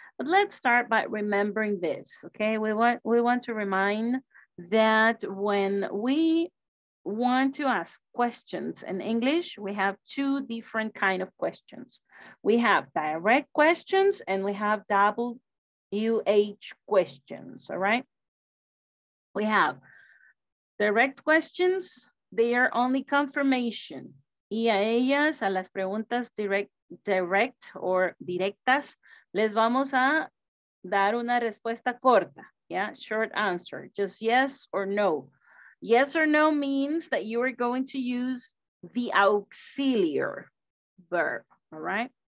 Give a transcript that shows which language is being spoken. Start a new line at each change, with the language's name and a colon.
English: But let's start by remembering this, okay? We want to remind that when we want to ask questions in English, we have two different kind of questions. We have direct questions and we have WH questions, all right? We have direct questions, they are only confirmation.
Spanish: Y a ellas, a las preguntas
English: direct or
Spanish: directas, les vamos a dar una respuesta corta, yeah?
English: Short answer, just yes or no. Yes or no means that you are going to use the auxiliary verb, all right?